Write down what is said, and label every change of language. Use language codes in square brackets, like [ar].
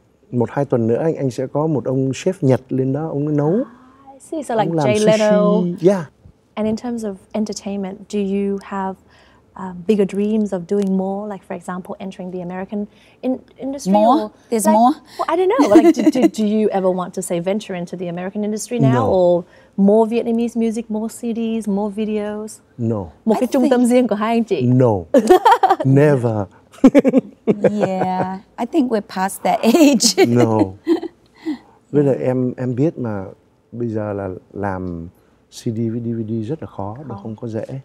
[vi] Một hai tuần nữa anh sẽ có một ông chef Nhật lên đó, ông nấu. [en] I see. So like Jay Leno. Yeah. And in terms of entertainment, do you have bigger dreams of doing more, like for example entering the American industry? More? Or, there's like, more? Well, I don't know. Like do you ever want to say venture into the American industry now? No. Or more Vietnamese music, more CDs, more videos? No. [vi] Một cái trung tâm riêng của hai anh chị? [en] No. Never. Yeah. I think we're past that age. No. [vi] Với lại em biết mà bây giờ là làm CD với DVD rất là khó, nó không có dễ.